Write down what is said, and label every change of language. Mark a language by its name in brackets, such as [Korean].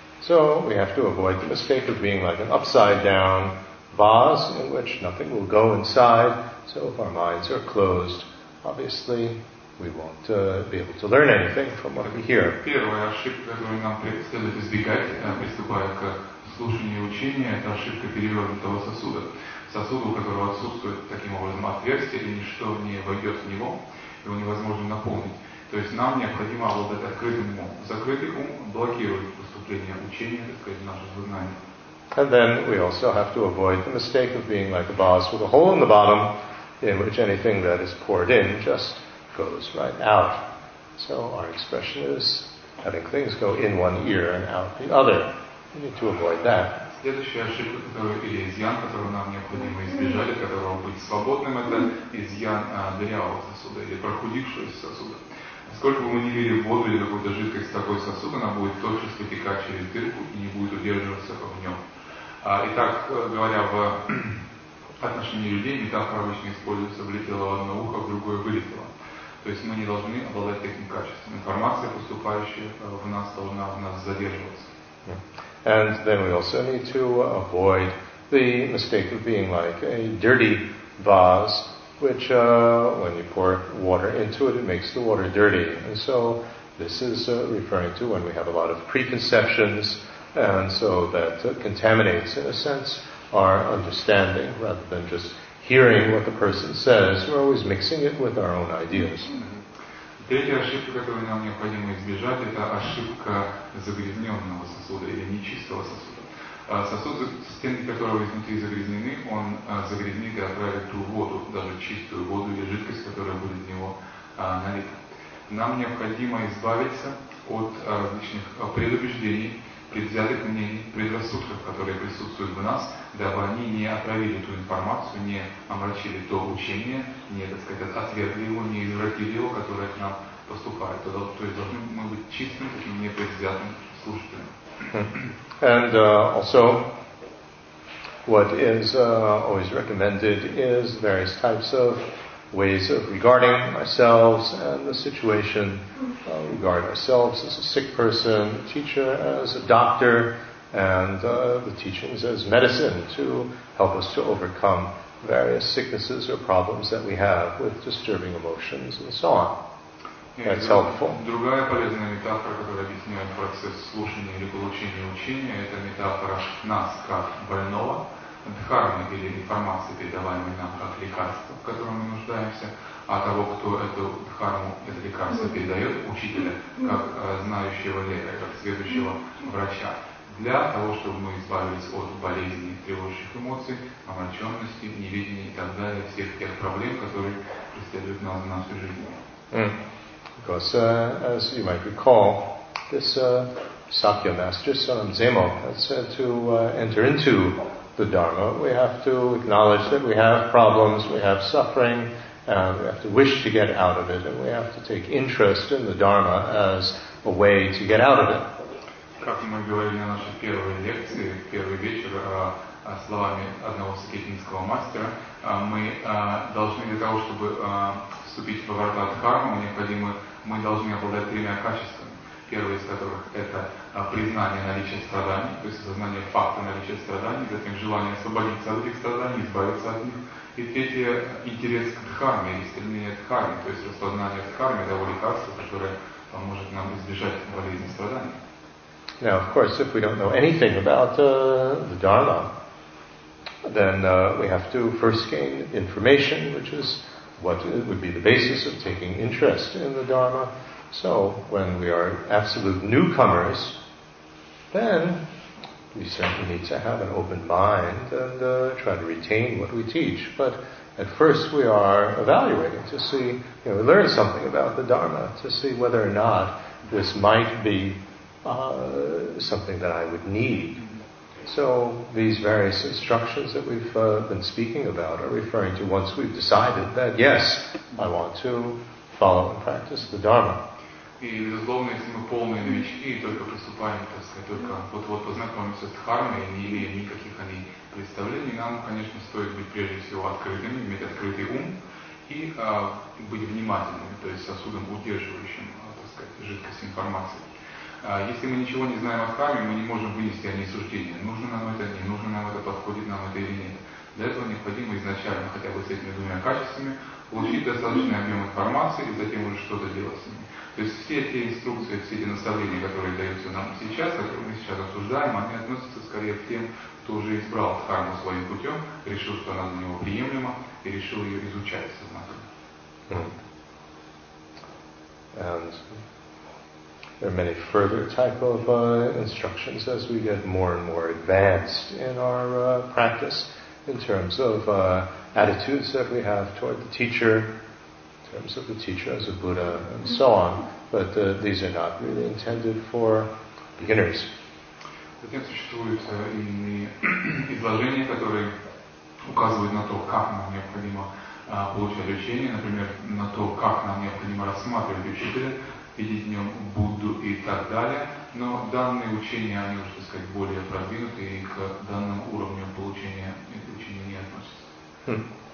[English] So we have to avoid the mistake of being like an upside down vase in which nothing will go inside, so if our minds are closed, obviously we won't be able to learn anything from what we hear. [Russian] Первая ошибка, которую нам следует избегать, приступая к слушанию и учению, это ошибка перевернутого сосуда. Сосуда, у которого отсутствует таким образом отверстие, и ничто не войдет в него, его невозможно наполнить. То есть нам необходимо обладать открытым умом. Закрытый ум блокирует поступление учения, так сказать, в наше сознание. [English] And then we also have to avoid the mistake of being like a vase with a hole in the bottom, in which anything that is poured in just goes right out. So our expression is having things go in one ear and out the other. We need to avoid that. [Russian] Следующая ошибка, которую, или изъян, которую нам необходимо избежать, от которого быть свободным, это изъян дырявого сосуда или прохудившегося сосуда. Сколько бы мы ни лили воду или какую-то жидкость в такой сосуд, она будет тотчас вытекать через дырку и не будет удерживаться в нем. Итак, говоря в отношении людей, метафора обычно используется, влетело в одно ухо, в другое вылетело. То есть мы не должны обладать таким качеством. Информация, поступающая в нас, должна в нас задерживаться. [English] And then we also need to avoid the mistake of being like a dirty vase, which when you pour water into it, it makes the water dirty. And so this is referring to when we have a lot of preconceptions, and so that contaminates, in a sense, our understanding, rather than just hearing what the person says. We're always mixing it with our own ideas. [Russian] Третья ошибка, которую нам необходимо избежать, это ошибка загрязненного сосуда или нечистого сосуда. Сосуд, стенки которого изнутри загрязнены, он загрязнит и отравит ту воду, даже чистую воду или жидкость, которая будет в него налита. Нам необходимо избавиться от различных предубеждений, предвзятых мнений, предрассудков, которые присутствуют в нас, дабы они не отравили ту информацию, не омрачили то учение, не, так сказать, отвергли его, не извратили его, которое к нам поступает. То есть должны мы быть чистыми, таким непредвзятым слушателем. [English] And also, what is always recommended is various types of ways of regarding ourselves and the situation. Regard ourselves as a sick person, teacher as a doctor, and the teachings as medicine to help us to overcome various sicknesses or problems that we have with disturbing emotions and so on. That's helpful. [Russian] Другая полезная метафора, которая объясняет процесс слушания или получения учения, это метафора нас как больного. Дхармы или информации, передаваемой нам как лекарство, в котором мы нуждаемся, а того, кто эту дхарму, это лекарство передает, учителя, как знающего лекаря, как следующего врача. Для того, чтобы мы избавились от болезней, тревожащих эмоций, омраченности, невидения и так далее, всех тех проблем, которые преследуют нас в нашей жизни. [English] Because, as you might recall, this Sakya master, Sonam Zemo, has said to enter into the Dharma, we have to acknowledge that we have problems, we have suffering, and we have to wish to get out of it, and we have to take interest in the Dharma as a way to get out of it. [Russian] Как мы говорили на нашей первой лекции, первый вечер, словами одного сакетинского мастера, мы должны для того, чтобы вступить во врата Дхармы, мы должны обладать тремя качествами. Первый из которых – это признание наличия страданий, то есть осознание факта наличия страданий, затем желание освободиться от этих страданий, избавиться от них. И третье – интерес к дхарме или стремление к дхарме, то есть распознание дхармы, того лекарства, которое поможет нам избежать болезни и страданий. [English] Now, of course, if we don't know anything about the Dharma, then we have to first gain information, which is what would be the basis of taking interest in the Dharma. So, when we are absolute newcomers, then we certainly need to have an open mind and try to retain what we teach. But at first we are evaluating to see, you know, we learn something about the Dharma to see whether or not this might be something that I would need. So, these various instructions that we've been speaking about are referring to once we've decided that, yes, I want to follow and practice the Dharma. [Russian] И, безусловно, если мы полные новички и только приступаем, так сказать, только вот-вот познакомимся с дхармой, не имея никаких о ней представлений, нам, конечно, стоит быть прежде всего открытыми, иметь открытый ум и быть внимательными, то есть сосудом, удерживающим, так сказать, жидкость информации. Если мы ничего не знаем о дхарме, мы не можем вынести о ней суждения, нужно нам это, не нужно нам это, подходит нам это или нет. Для этого необходимо изначально, хотя бы с этими двумя качествами, получить достаточный объем информации и затем уже что-то делать с ними. То есть все эти инструкции, все эти наставления, которые даются нам сейчас, которые мы сейчас обсуждаем, они относятся скорее к тем, кто уже избрал дхарму своим путем, решил, что она для него приемлема, и решил ее изучать сознательно. [English] And there are many further type of instructions as we get more and more advanced in our practice. in terms of attitudes that we have toward the teacher, in terms of the teacher as a Buddha, and so on. But these are not really intended for beginners. [Russian] Затем существуют иные изложения, которые указывают на то, как нам необходимо получать учение, например, на то, как нам необходимо рассматривать учителя, видеть в нем Будду и так далее. Но данные учения, они уже, так сказать, более продвинуты и к данному уровню получения учения не относятся.